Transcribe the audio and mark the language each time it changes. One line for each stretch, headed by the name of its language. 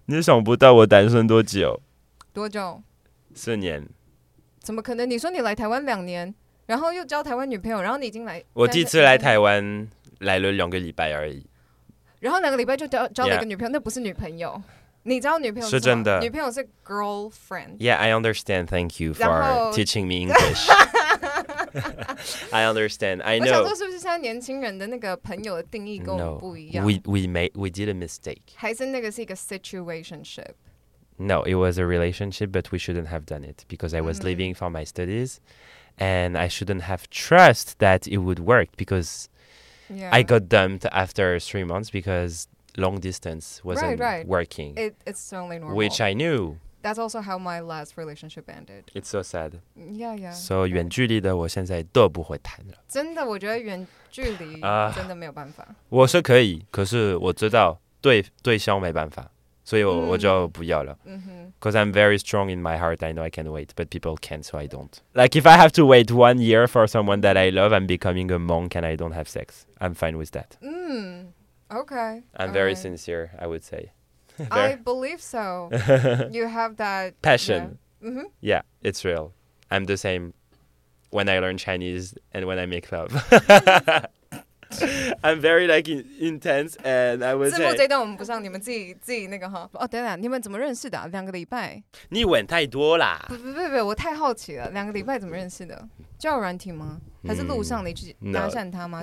Chinese: 你想不到我单身多久？多久？ 4年。怎么可能？你说你来台湾2年，然后又交台湾女朋友，然后你已经来，我第一次来台湾来了2个礼拜而已，然后2个礼拜就交了一个女朋友、yeah. 那不是女朋友，你知道女朋友是真的，女朋友是 girlfriend。
English: Yeah, I understand, thank you for teaching me English. I understand, I know. 我想说是不是现在年轻人的那个朋友的定义跟我们不一样、 no. we did a mistake. 还是那个是一个 situationship？ No, it was a relationship, but we shouldn't have done it because I was、mm-hmm. leaving for my studies and I shouldn't have trust that it would work because、 yeah. I got dumped after 3 months because long distance wasn't right, right. working. It's only normal. Which I knew. That's also how my last relationship ended. It's so sad. Yeah, yeah. So、okay.
Chinese: 远距离的我现在都不会谈了。真的，我觉得远距离真的没有办法。我是可以，可是我知道对象没办法。所以我就不要了。
English: Because、mm-hmm. I'm very strong in my heart. I know I can wait, but people can't, so I don't. Like, if I have to wait 1 year for someone that I love, I'm becoming a monk and I don't have sex. I'm fine with that. Mm. Okay. I'm very、right. sincere, I would say. I believe so. You have that... Passion. Yeah.、Mm-hmm. yeah, it's real. I'm the same when I learn Chinese and when I make love. I'm very like intense and I was
Chinese: 字幕这段我们不上，你们自己那个哈。哦，等等，你们怎么认识的、啊？ 2个礼拜？你问太多啦！不，我太好奇了。2个礼拜怎么认识的？交友软体吗？还是路上你去搭讪他吗？